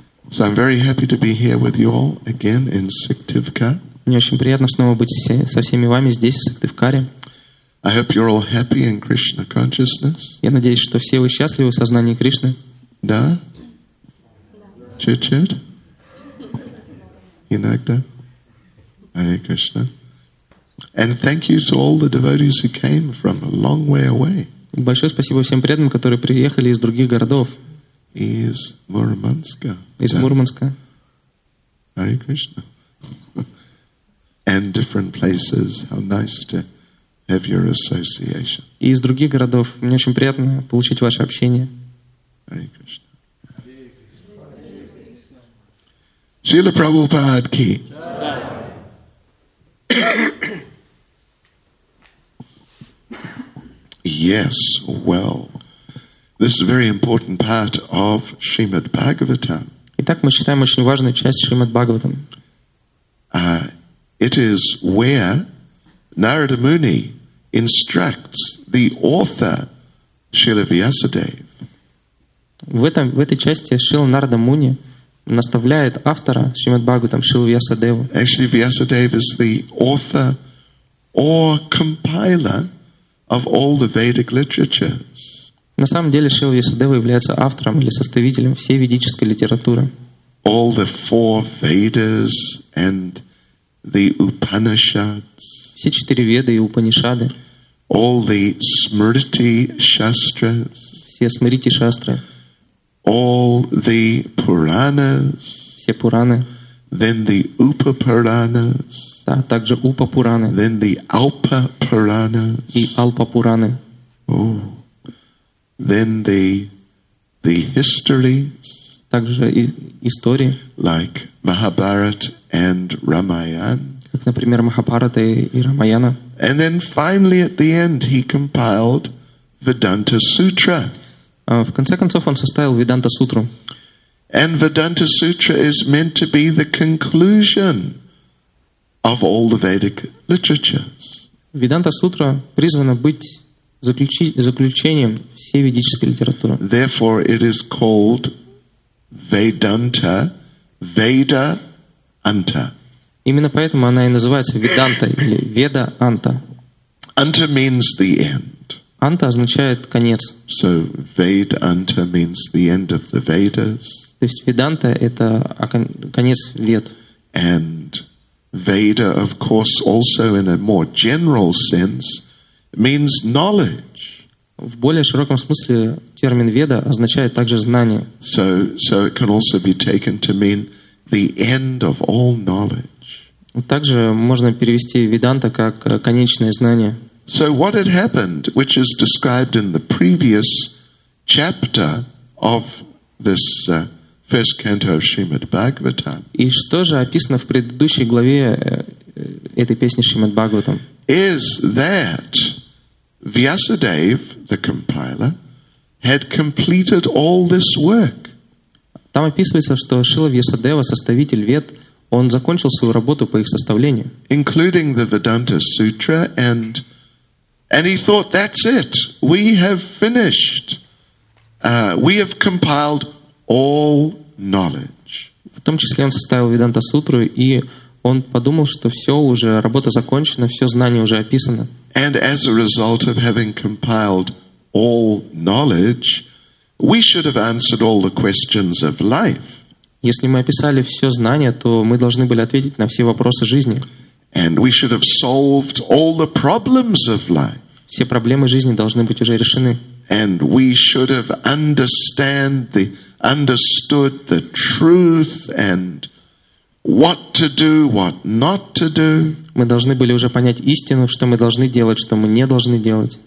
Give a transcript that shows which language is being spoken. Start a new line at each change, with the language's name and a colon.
English: So I'm very happy to be here with you all again in Syktyvkar.
Russian: Мне очень приятно снова быть со всеми вами здесь, в Сыктывкаре.
English: I hope you're all happy in Krishna consciousness.
Russian: Я надеюсь, что все вы счастливы в сознании Кришны. Да? Чуть-чуть? Иногда. Hare Krishna.
English: And thank you to all the devotees who came from a long way away.
Russian: Большое спасибо всем преданным, которые приехали из других городов. Из Мурманска. Из Мурманска.
English: Hare Krishna. And different places. How nice to have your association.
Russian: И из других городов. Мне очень приятно получить ваше общение.
Sanskrit: Hare Krishna. Srila Prabhupada ki.
English: Yes, well, this is a very important part of Srimad Bhagavatam.
Russian: Итак, мы считаем очень важной часть Шримад Бхагаватам.
English: It is where Narada Muni instructs the author Srila Vyasadeva.
Russian: В этой части Шрила Нарада Муни наставляет автора Шримад Бхагаватам Шрилу Вьясадеву.
English: Actually, Vyasadeva is the author or compiler of all the Vedic literatures.
Russian: На самом деле Шрила Вьясадева является автором или составителем всей ведической литературы.
English: All the four Vedas and the Upanishads.
Russian: Все четыре Веды и Упанишады.
English: All the Smriti Shastras.
Russian: Все Смрити Шастры.
English: All the Puranas,
Russian: все Пураны,
English: then the Upa Puranas,
Russian: да, также Упа Пураны,
English: then the Alpa Puranas,
Russian: и Алпа Пураны,
English: then the histories,
Russian: также истории,
English: like Mahabharata and Ramayana,
Russian: как, например, Махабхарата и Рамаяна,
English: and then finally at the end he compiled Vedanta Sutra.
Russian: В конце концов, он составил Веданта Сутру.
English: And Vedanta Sutra is meant to be the conclusion of all the Vedic literatures.
Russian: Веданта Сутра призвана быть заключением всей ведической литературы.
English: Therefore, it is called Vedanta, Veda Anta.
Russian: Именно поэтому она и называется Веданта или Веда Анта.
English: Anta means the end.
Russian: Анта означает конец.
English: So Vedanta means the end of the Vedas.
Russian: То есть Веданта — это конец Вед.
English: And Veda, of course, also in a more general sense, means knowledge.
Russian: В более широком смысле термин веда означает также знание.
English: So it can also be taken to mean the end of all knowledge.
Russian: Также можно перевести веданта как конечное знание.
English: So what had happened, which is described in the previous chapter of this first canto of Srimad Bhagavatam.
Russian: И что же описано в предыдущей главе этой песни Шримад Бхагаватам?
English: Is that Vyasadeva, the compiler, had completed all this work.
Russian: Там описывается, что Шрила Вьясадева, составитель вед, он закончил свою работу по их составлению.
English: Including the Vedanta Sutra, and he thought, that's it, we have finished, we have compiled all knowledge.
Russian: В том числе он составил Веданта Сутру, и он подумал, что все, уже работа закончена, все знание уже описано.
English: And as a result of having compiled all knowledge, we should have answered all the questions of life.
Russian: Если мы описали все знание, то мы должны были ответить на все вопросы жизни.
English: And we should have solved all the problems of life.
Russian: Все проблемы жизни должны быть уже решены.
English: And we should have understood the truth and what to do, what not to do.
Russian: Мы должны были уже понять истину, что мы должны делать, что мы не должны делать.